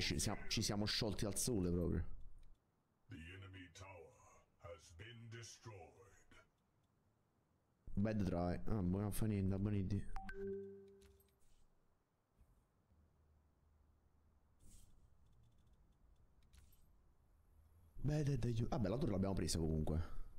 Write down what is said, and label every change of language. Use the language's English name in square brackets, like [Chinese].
[Italian] Ci siamo sciolti al sole proprio. [English] The enemy tower has been destroyed. Bad try. [Italian] Ah, non fa niente, abboniti. [English] Bad day. [Italian] Vabbè, la torre l'abbiamo presa comunque.